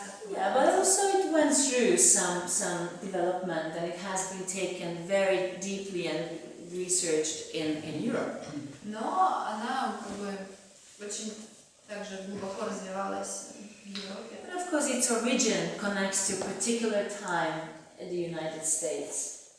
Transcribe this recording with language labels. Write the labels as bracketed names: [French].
[English] Yeah, but also it went through some development and it has been taken very deeply and researched in Europe. [Russian] Но она как бы очень также глубоко развивалась в Европе. [English] But of course its origin connects to a particular time in the United States.